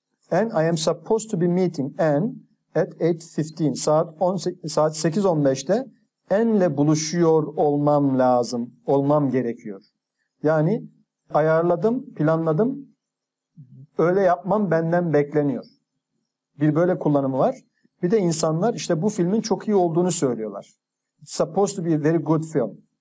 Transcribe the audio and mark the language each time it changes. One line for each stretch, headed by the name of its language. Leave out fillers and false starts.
English: And I am supposed to be meeting Anne at 8:15.
Turkish: Saat 8:15'te Anne'le buluşuyor olmam lazım, olmam gerekiyor. Yani ayarladım, planladım, öyle yapmam benden bekleniyor. Bir böyle kullanımı var. Bir de insanlar işte bu filmin çok iyi olduğunu söylüyorlar.
English: It's supposed to be a very good film.